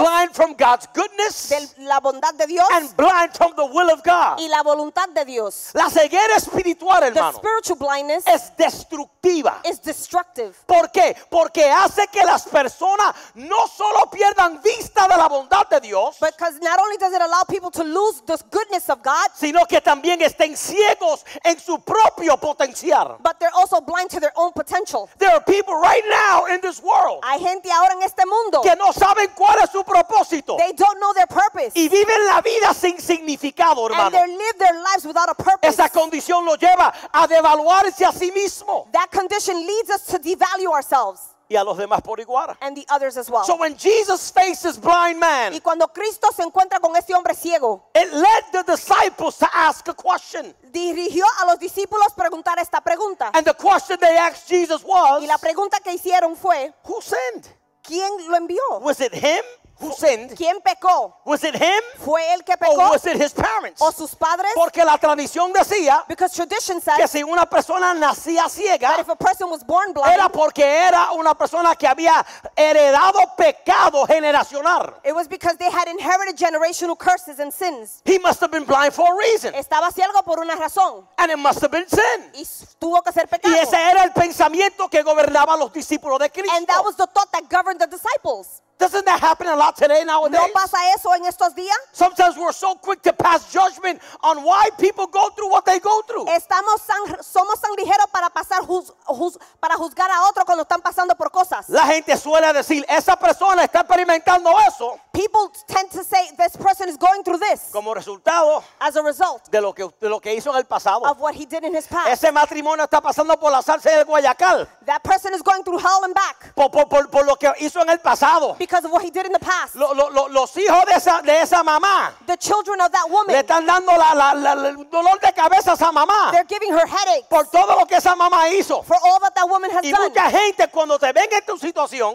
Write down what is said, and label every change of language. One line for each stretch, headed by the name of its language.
English: Blind from God's goodness.
Spanish: De la bondad de Dios.
English: And blind from the will of God.
Spanish: Y la voluntad de Dios. La ceguera espiritual, hermano.
English: The spiritual blindness.
Spanish: Es destructiva.
English: Is destructive.
Spanish: ¿Por qué? Porque hace que las personas no solo pierdan vista de la bondad de Dios.
English: Because not only does it allow people to lose the goodness of God.
Spanish: Sino que también estén ciegos en su propio potencial.
English: But they're also blind to their own potential. There are people right now in this world.
Spanish: Hay gente ahora en este mundo. Que no saben cuál es su propósito.
English: They don't know their purpose.
Spanish: Y viven la vida sin significado, hermano.
English: And they live their lives without a purpose.
Spanish: Esa condición lo lleva a devaluarse a sí mismo.
English: That condition leads us to devalue ourselves.
Spanish: Y a los demás por igual.
English: And the others as well. So when Jesus faces blind man.
Spanish: Y cuando Cristo se encuentra con este hombre ciego.
English: It led the disciples to ask a question.
Spanish: Dirigió a los discípulos preguntar esta pregunta.
English: And the question they asked Jesus was.
Spanish: Y la pregunta que hicieron fue.
English: Who sinned?
Spanish: ¿Quién lo envió?
English: Was it him who sinned?
Spanish: ¿Quién pecó?
English: Was it him?
Spanish: ¿Fue él que pecó?
English: Or was it his parents?
Spanish: ¿O sus padres? Porque la tradición decía.
English: Because tradition said.
Spanish: Que si una persona nacía ciega.
English: That if a person was born blind.
Spanish: Era porque era una persona que había heredado pecado generacional.
English: It was because they had inherited generational curses and sins. He must have been blind for a reason.
Spanish: Estaba ciego por una razón.
English: And it must have been sin.
Spanish: Y tuvo que ser pecado. Y ese era el pensamiento que gobernaba los discípulos de Cristo.
English: And that was the thought that governed the disciples. Doesn't that happen a lot today nowadays?
Spanish: ¿No pasa eso en estos días?
English: Sometimes we're so quick to pass judgment on why people go through what they go through.
Spanish: Somos tan ligeros para juzgar a otros cuando están pasando por cosas. La gente suele decir, esa persona está experimentando eso.
English: People tend to say this person is going through this.
Spanish: Como resultado,
English: as a result,
Spanish: de lo que hizo en el pasado.
English: Of what he did in his past.
Spanish: Ese matrimonio está pasando por la salsa del Guayacal.
English: That person is going through hell and back.
Spanish: Por lo que hizo en el pasado.
English: Because of what he did in the past.
Spanish: Los hijos de esa mamá.
English: The children of that woman.
Spanish: Le están dando el dolor de cabeza a esa mamá.
English: They're giving her headaches.
Spanish: Por todo lo que esa mamá hizo.
English: For all that that woman has
Spanish: y
English: done.
Spanish: Y mucha gente cuando te ven en tu situación.